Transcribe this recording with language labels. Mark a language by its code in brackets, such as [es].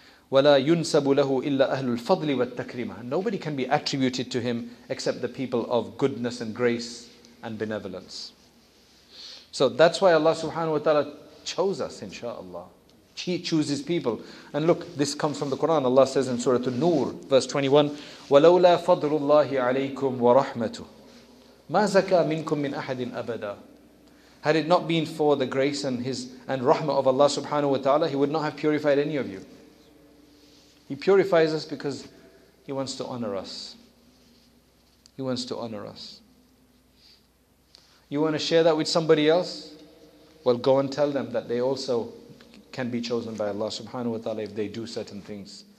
[ar] وَلَا يُنْسَبُ لَهُ إِلَّا أَهْلُ الْفَضْلِ وَالتَّكْرِيمَةِ. [en] Nobody can be attributed to Him except the people of goodness and grace and benevolence. So that's why Allah subhanahu wa ta'ala chose us, inshaAllah. He chooses people. And look, this comes from the Quran. Allah says in Surah An-Nur, verse 21, [ar] وَلَوْلَا فَضْلُ اللَّهِ عَلَيْكُمْ وَرَحْمَتُهُ مَا زَكَى مِنْكُمْ مِنْ أَحَدٍ أَبَدًا. [en] Had it not been for the grace and rahmah of Allah subhanahu wa ta'ala, He would not have purified any of you. He purifies us because He wants to honor us. He wants to honor us. You want to share that with somebody else? Well, go and tell them that they also can be chosen by Allah subhanahu wa ta'ala if they do certain things.